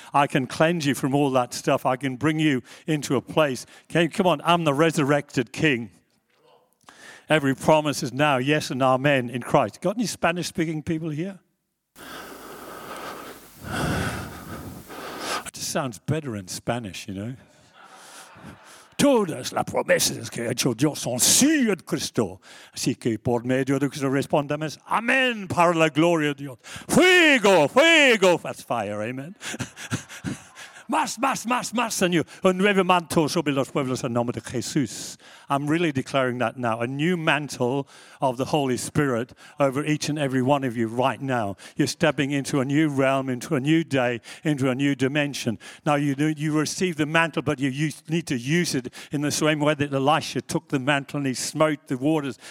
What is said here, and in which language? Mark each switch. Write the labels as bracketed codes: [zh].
[en] I can cleanse you from all that stuff. I can bring you into a place. Okay, come on, I'm the resurrected king. Every promise is now yes and amen in Christ. Got any Spanish-speaking people here? It just sounds better in Spanish, you know. [es] Todas las promesas que ha hecho Dios son sí en Cristo. Así que por medio de Cristo respondemos, amén para la gloria de Dios. Fuego, fuego. [en] That's fire, amen. [es] Mas, Señor, un nuevo manto sobre los pueblos en nombre de Jesús. [en] I'm really declaring that now, a new mantle of the Holy Spirit over each and every one of you right now. You're stepping into a new realm, into a new day, into a new dimension. Now, you receive the mantle, but you need to use it in the same way that Elisha took the mantle and he smote the waters.